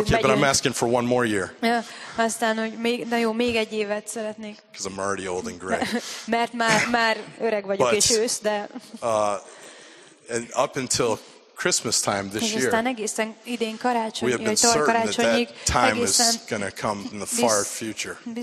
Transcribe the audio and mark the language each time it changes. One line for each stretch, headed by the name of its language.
English: I said, okay, but I'm asking for one more year.
Hungarian: Aztán, hogy na jó, még egy évet szeretnék.
English: Because I'm already old and gray.
Hungarian: Mert már öreg vagyok és ősz, de.
English: And up until Christmas time this year. We have been certain that time is going to come in the far future.